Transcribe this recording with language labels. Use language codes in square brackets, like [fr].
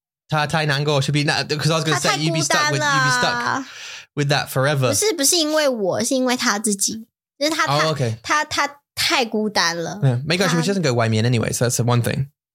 [zh] 他太难过, [en] should be that, because I was going to say you'd be stuck with that forever. [zh] 不是因为我, 是因为他自己。就是他, [en] oh, okay. [zh] 他太孤单了。 [en] Yeah. Maybe she doesn't go 外面 anyway, so that's the one thing.